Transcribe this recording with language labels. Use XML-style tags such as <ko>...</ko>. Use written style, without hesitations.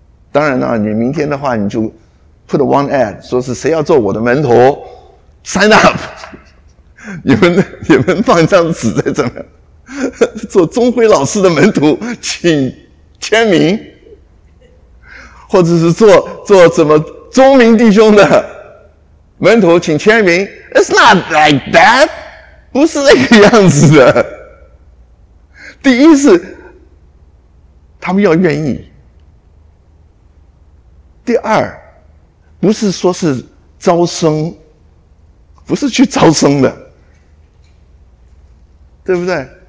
<zh>当然了，你明天的话你就</zh> <en>put one ad，</en> <zh>说是谁要做我的门徒</zh> <en>sign up，</en> <zh>你们放一张纸在这边，做钟辉老师的门徒请签名，或者是做怎么钟明弟兄的门徒请签名。</zh> <en>It's not like that，</en> <zh>不是那个样子的。第一是他们要愿意，第二不是说是招生，不是去招生的，对不对？</zh>